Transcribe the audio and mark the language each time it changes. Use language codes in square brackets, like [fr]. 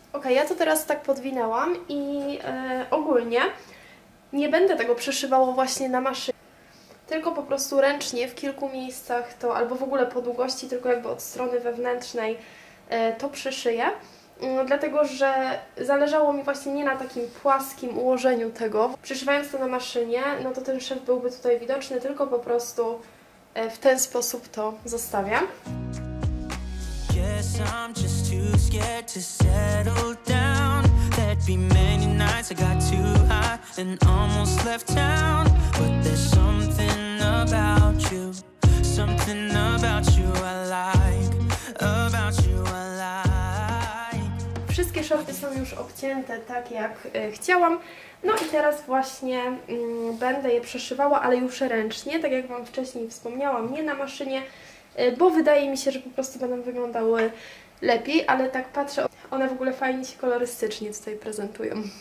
[pl] Ja to teraz tak podwinęłam i ogólnie nie będę tego przeszywało właśnie na maszynie, tylko po prostu ręcznie w kilku miejscach to, albo w ogóle po długości, tylko jakby od strony wewnętrznej to przeszyję, dlatego że zależało mi właśnie nie na takim płaskim ułożeniu tego. Przeszywając to na maszynie, no to ten szef byłby tutaj widoczny, tylko po prostu w ten sposób to zostawiam. [en] I'm just too scared to settle down. There'd be many nights I got too high and almost left town. But there's something about you, something about you I like, about you I like. [pl] Wszystkie shorty są już obcięte tak jak chciałam. No i teraz właśnie będę je przeszywała, ale już ręcznie, tak jak Wam wcześniej wspomniałam, nie na maszynie, bo wydaje mi się, że po prostu będą wyglądały lepiej, ale tak patrzę, one w ogóle fajnie się kolorystycznie tutaj prezentują.